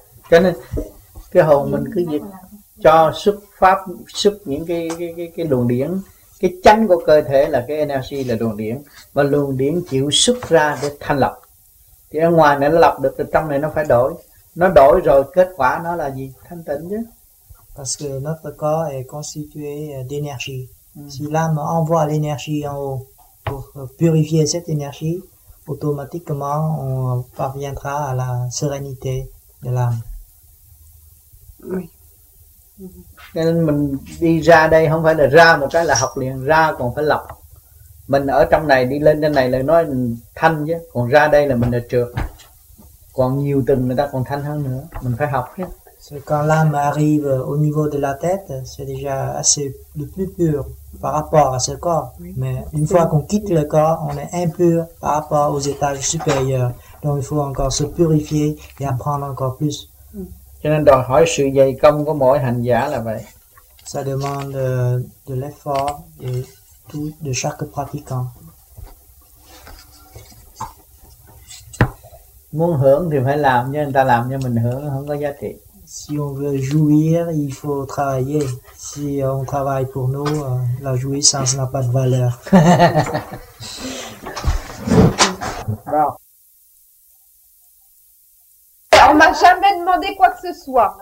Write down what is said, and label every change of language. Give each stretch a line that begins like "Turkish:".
Vietnamese: Cho nên cái hồn mình cứ dịch cho xuất pháp, xuất những cái luồng điển. Cái chánh của cơ thể là cái energy, là luồng điển. Và luồng điển chịu xuất ra để thanh lọc. Thì ở ngoài này nó lọc được, từ trong này nó phải đổi. Nó đổi rồi kết quả nó là gì? Thanh tịnh chứ.
French: Parce que notre corps est constitué d'énergie. Si l'âme envoie l'énergie en haut pour purifier cette énergie, automatiquement on parviendra à la sérénité de l'âme. Oui.
Vietnamese: Nên mình đi ra đây không phải là ra một cái là học liền, ra còn phải lọc. Mình ở trong này đi lên trên này là nói thanh chứ, còn ra đây là mình là trượt. Còn nhiều tầng người ta còn thanh hơn nữa, mình phải học chứ.
French: C'est quand l'âme arrive au niveau de la tête, c'est déjà assez le plus pur par rapport à ce corps. Oui. Mais une fois qu'on quitte le corps, on est impur par rapport aux étages supérieurs. Donc il faut encore se purifier et apprendre encore plus.
Vietnamese: Cho nên đòi hỏi sự dày công của mỗi hành giả là vậy.
French: Ça demande de l'effort de chaque pratiquant.
Vietnamese: Muốn hưởng thì phải làm, nhưng người ta làm cho mình hưởng không có giá trị.
French: Si on veut jouir, il faut travailler. Si on travaille pour nous, la jouissance n'a pas de valeur. On m'a jamais demandé quoi que ce soit.